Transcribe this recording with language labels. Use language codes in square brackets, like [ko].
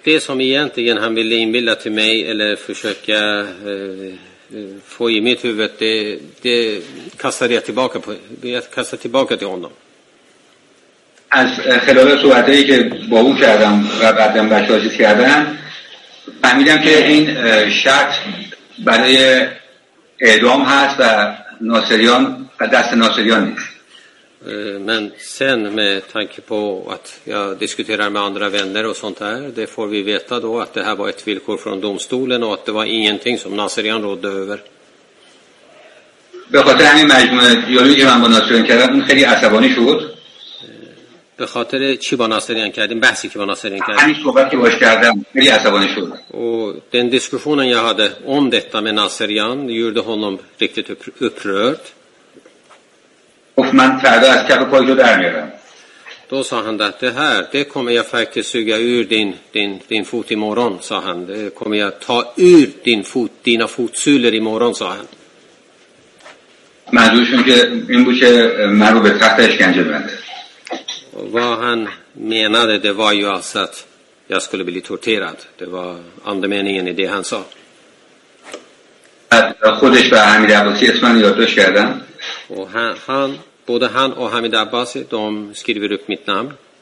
[sv] det som egentligen han ville inbilda till mig eller försöka få i mitt huvud, det kastade jag tillbaka på. Jag kastade tillbaka till honom. [fa] از خلال صحبتهایی که با اون کردم و بعدم بشاشت کردم فهمیدم که این شرط برای اعدام هست و ناصریان دست ناصریان نیست. [sv] Men sen med tanke på att jag diskuterar med andra vänner och sånt här, det får vi veta då att det här var ett villkor från domstolen och att det var ingenting som Naserian rådde över. [fa] بخاطر همین مجموعه که من با ناصریان کردم خیلی عصبانی شد. به خاطر چی با ناصریان کردیم؟ بحثی که با ناصریان کردیم. همین صحبت که باش کردم خیلی عصبانی شد. [sv] Och den diskussionen jag hade om detta med Naserian gjorde honom riktigt upprörd. [fa] من فردا از کف پای تو در میارم. [sv] Då sa han att det här, det kommer jag faktiskt suga ur din fot imorgon, sa han. Det kommer jag ta ur din fot, dina fotsulor imorgon, sa han. [fa] منظورش این بود که من رو به تخت اشکنجه بند. [sv] Vad han menade, det var ju alltså att jag skulle bli torterad. Det var andemeningen i det han sa. [fa] خودش به حمید عباسی اسمم یادداشت کردم. [sv] Och han, både han och Hamid Abbasi, de skriver upp mitt namn.